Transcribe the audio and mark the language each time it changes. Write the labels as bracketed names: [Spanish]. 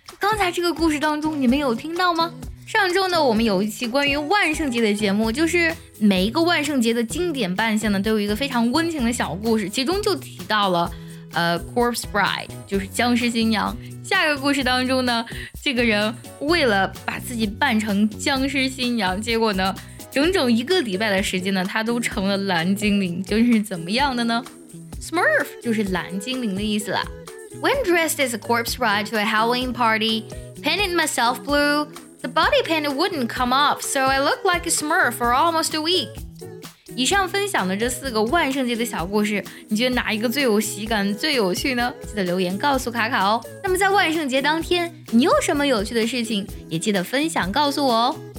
[Chinese] 刚才这个故事当中你们有听到吗？上周呢我们有一期关于万圣节的节目，就是每一个万圣节的经典扮相呢都有一个非常温情的小故事，其中就提到了Corpse Bride 就是僵尸新娘。下一个故事当中呢，这个人为了把自己扮成僵尸新娘，结果呢整整一个礼拜的时间呢他都成了蓝精灵，就是怎么样的呢？ Smurf 就是蓝精灵的意思啦。 [English] When dressed as a corpse bride to a Halloween party, painted myself blue, the body paint wouldn't come off, so I looked like a Smurf for almost a week. [Chinese] 以上分享的这四个万圣节的小故事，你觉得哪一个最有喜感最有趣呢？记得留言告诉卡卡哦。那么在万圣节当天你有什么有趣的事情也记得分享告诉我哦。